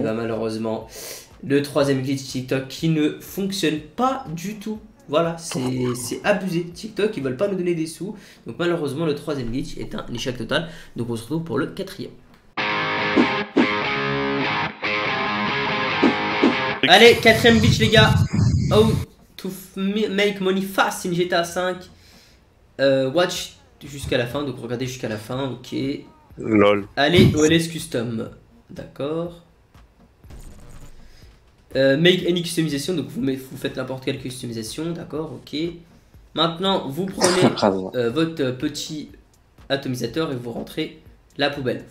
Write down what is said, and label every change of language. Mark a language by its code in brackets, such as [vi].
[fr] Et bah, malheureusement, le troisième glitch TikTok qui ne fonctionne pas du tout. Voilà, c'est abusé. TikTok, ils veulent pas nous donner des sous. Donc malheureusement, le troisième glitch est un échec total. Donc on se retrouve pour le quatrième. Allez, quatrième glitch, les gars. [en] Oh, to make money fast in GTA 5. [fr] Watch jusqu'à la fin, donc regardez jusqu'à la fin, ok. Lol. Allez, OLS custom. D'accord. [en] Make any customization, [fr] donc vous faites n'importe quelle customisation, d'accord, ok. Maintenant, vous prenez votre petit atomisateur et vous rentrez la poubelle.